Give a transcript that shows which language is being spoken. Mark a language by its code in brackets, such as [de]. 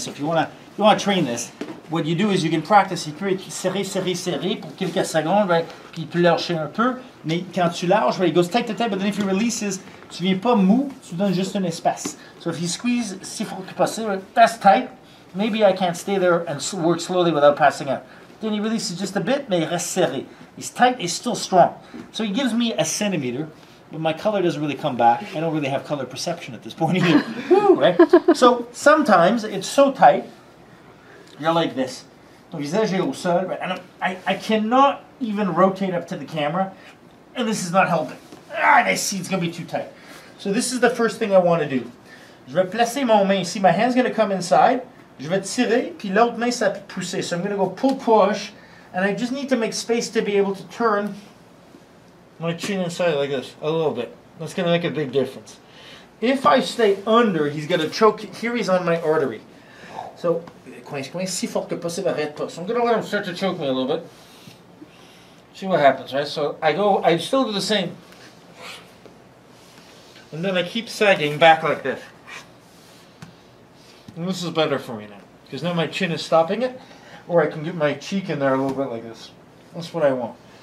[en] So, if you want to train this, what you do is you can practice. [fr] You peut serrer, serrer, serrer pour quelques secondes, right? Puis tu lâches un peu. Mais quand tu lâches, [en] right, it goes tight to tight. But then if he releases, [fr] tu viens pas mou. Tu donnes juste un espace. [en] So if you squeeze [fr] si fort que possible, [en] that's tight. Maybe I can't stay there and work slowly without passing out. Then he releases just a bit, [fr] mais il reste serré. [en] He's tight, he's still strong. So he gives me a centimeter, but my color doesn't really come back. I don't really have color perception at this point either. Right? So sometimes it's so tight, you're like this. [fr] Donc visage est au sol, right? [en] And I cannot even rotate up to the camera, and this is not helping. I see it's going to be too tight. So this is the first thing I want to do. [fr] Je vais placer mon main ici. [en] My hand's going to come inside. [fr] Je vais tirer, puis l'autre main, ça va pousser. [en] So I'm going to go pull, push. And I just need to make space to be able to turn my chin inside like this, a little bit. That's going to make a big difference. If I stay under, he's going to choke. Here he's on my artery. [fr] So, si fort que possible, arrête pas. [en] So I'm going to let him start to choke me a little bit. See what happens, right? So I go, I still do the same. And then I keep sagging back like this. And this is better for me now. Because now my chin is stopping it. Or I can get my cheek in there a little bit like this. That's what I want.